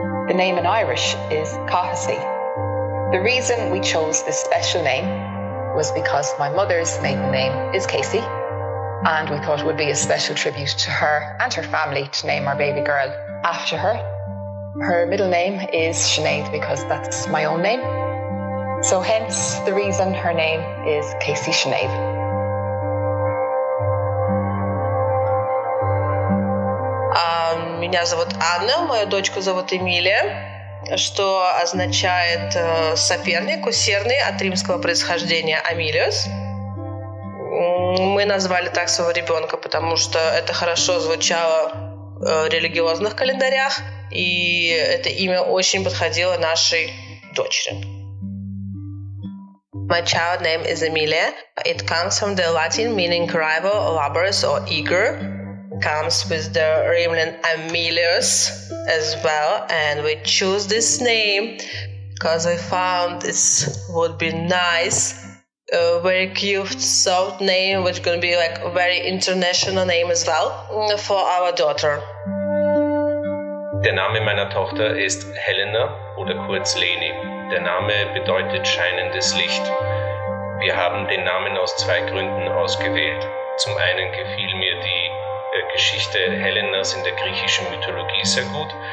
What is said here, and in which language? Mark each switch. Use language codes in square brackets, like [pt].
[en] The name in Irish is Cahasi. The reason we chose this special name was because my mother's maiden name is Casey, and we thought it would be a special tribute to her and her family to name our baby girl after her. Her middle name is Sinead because that's my own name. So hence the reason her name is Casey Sinead. [ru] Меня зовут Анна, моя дочку зовут Эмилия. Что означает соперник, усердный, от римского происхождения Амилиус. Мы назвали так своего ребенка, потому что это хорошо звучало в религиозных календарях, и это имя очень подходило нашей дочери. [en] My child name is Amelia. It comes from the Latin meaning rival, laborious or eager. Comes with the Rimlin Amelius as well, and we choose this name because we found this would be nice, a very cute, soft name, which is going to be like a very international name as well for our daughter. [de] Der Name meiner Tochter ist Helena oder kurz Leni. Der Name bedeutet scheinendes Licht. Wir haben den Namen aus zwei Gründen ausgewählt. Zum einen gefiel mir die Geschichte Helenas in der griechischen Mythologie sehr gut.